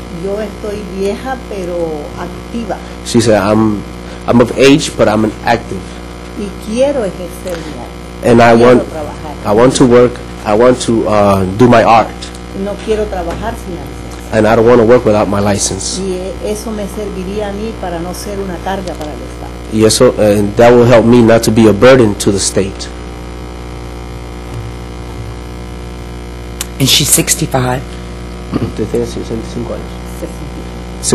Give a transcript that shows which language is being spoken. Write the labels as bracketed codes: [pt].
[es] Yo estoy vieja pero activa. [en] She said, I'm of age, but I'm an active. [es] Y quiero ejercer mi arte. [en] And I want to work. I want to do my art. [es] No quiero trabajar sin arte. [en] And I don't want to work without my license. [es] Y eso me serviría a mí para no ser una carga para el estado. Y eso, [en] and that will help me not to be a burden to the state. And she's 65. [es] ¿Te tienes 65 años?